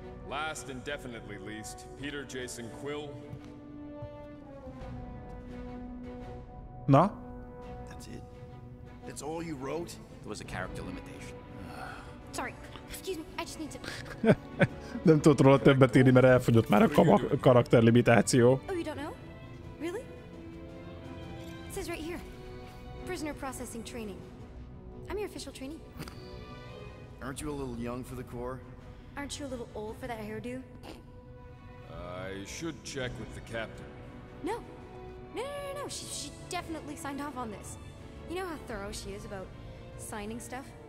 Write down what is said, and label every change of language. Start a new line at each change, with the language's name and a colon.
English: Last and definitely least, Peter Jason Quill. Na? That's it? That's all you wrote? There was a character limitation. Sorry, excuse me, I just need to...
Hungarian: Nem tudott róla többet írni, mert elfogyott már a karakter limitáció.
English: Oh, you don't know? Really? It says right here. Prisoner processing training. I'm your official trainee. Aren't you a little young for the Corps? Aren't you a little old for that hairdo? I should check with the captain. No. No. She definitely signed off on this. You know how thorough she is about signing stuff?